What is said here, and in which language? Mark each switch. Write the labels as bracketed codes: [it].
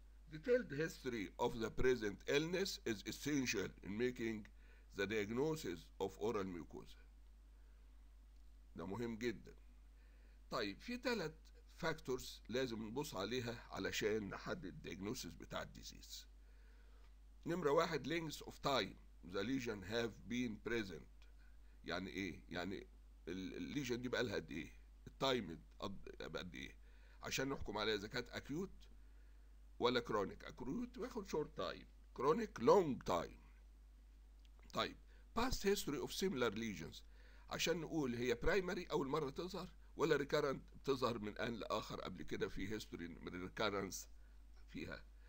[en] Detailed history of the present illness is essential in making the diagnosis of oral mucosa. [ar] ده مهم جدا. طيب في ثلاث فاكتورز لازم نبص عليها علشان نحدد diagnosis بتاع الديزيز. نمرة واحد [en] length of time the lesion have been present. [ar] يعني ايه؟ يعني الليجن دي بقى لها قد ايه؟ التايم قد ايه؟ عشان نحكم عليها اذا كانت اكيوت ولا كرونيك. اكيوت باخد شورت تايم، كرونيك لونج تايم. طيب [en] past history of similar lesions [ar] عشان نقول هي برايمري اول مره تظهر ولا ريكارنت بتظهر من ان لاخر قبل كده في هيستوري من ريكارنس فيها.